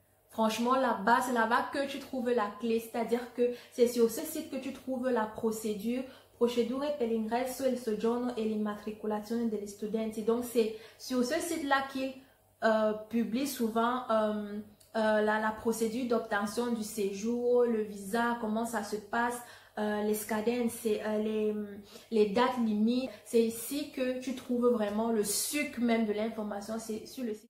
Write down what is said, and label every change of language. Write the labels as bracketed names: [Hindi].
[French] Franchement, là-bas, c'est là-bas que tu trouves la clé. C'est-à-dire que c'est sur ce site que tu trouves la procédure. [Italian] Procedure per l'ingresso, il soggiorno e l'immatricolazione degli studenti. [French] Donc, c'est sur ce site-là qu'ils publient souvent la procédure d'obtention du séjour, le visa, comment ça se passe, les scadences, les dates limites. C'est ici que tu trouves vraiment le sucre même de l'information. C'est sur le site.